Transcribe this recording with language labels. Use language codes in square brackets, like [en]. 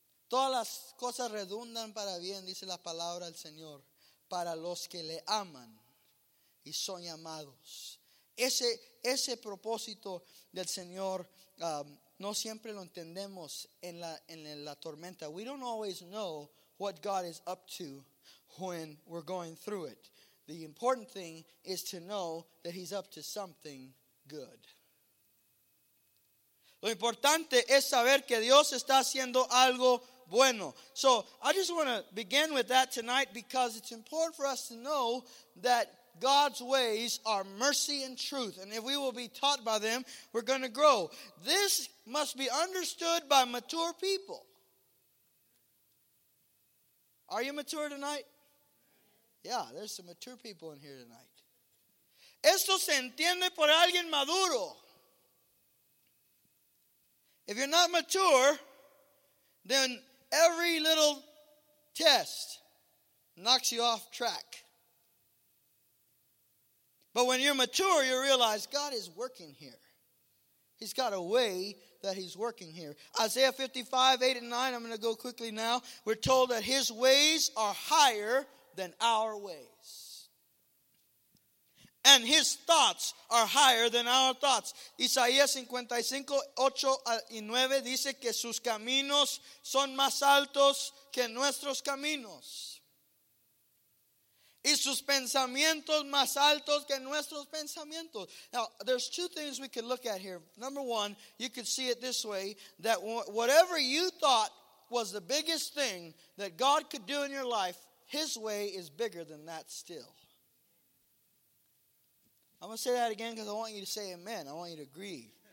[es] Todas las cosas redundan para bien, dice la palabra del Señor, para los que le aman y son llamados. Ese propósito del Señor, no siempre lo entendemos en la tormenta. [en] We don't always know what God is up to when we're going through it. The important thing is to know that he's up to something good. [es] Lo importante es saber que Dios está haciendo algo bueno. [en] So I just want to begin with that tonight because it's important for us to know that God's ways are mercy and truth. And if we will be taught by them, we're going to grow. This must be understood by mature people. Are you mature tonight? Yeah, there's some mature people in here tonight. [es] Esto se entiende por alguien maduro. [en] If you're not mature, then every little test knocks you off track. But when you're mature, you realize God is working here. He's got a way that he's working here. Isaiah 55, 8 and 9, I'm going to go quickly now. We're told that his ways are higher than our ways. And his thoughts are higher than our thoughts. [es] Isaías 55, 8 y 9 dice que sus caminos son más altos que nuestros caminos. Y sus pensamientos más altos que nuestros pensamientos. [en] Now, there's two things we could look at here. Number one, you could see it this way, that whatever you thought was the biggest thing that God could do in your life, his way is bigger than that still. I'm going to say that again because I want you to say amen. I want you to agree.